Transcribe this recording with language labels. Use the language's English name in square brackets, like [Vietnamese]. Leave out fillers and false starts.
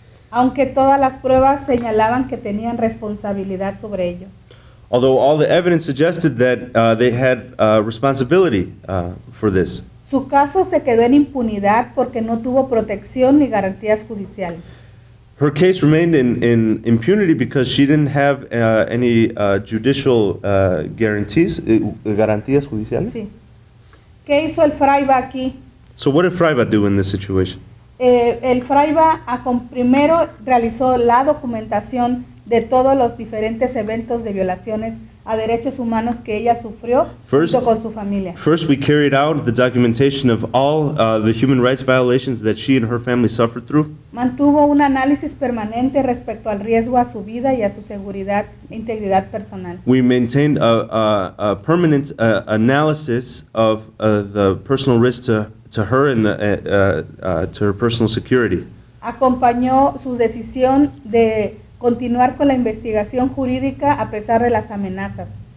[Spanish] Aunque todas las pruebas señalaban que tenían responsabilidad sobre ello. [English] Although all the evidence suggested that they had responsibility for this. [Spanish] Su caso se quedó en impunidad porque no tuvo protección ni garantías judiciales. [English] Her case remained in impunity because she didn't have any judicial guarantees, [Spanish] garantías judiciales. Sí. ¿Qué hizo el Fraiva aquí? [English] So what did Fraiva do in this situation? [Spanish] El Fraiva primero realizó la documentación de todos los diferentes eventos de violaciones a derechos humanos que ella sufrió junto con su familia. [English] First we carried out the documentation of all the human rights violations that she and her family suffered through. [Spanish] Mantuvo un análisis permanente respecto al riesgo a su vida y a su seguridad e integridad personal. [English] We maintained a permanent analysis of the personal risk to her and to her personal security. [Spanish] Acompañó su decisión de continuar con la investigación jurídica a pesar de las amenazas.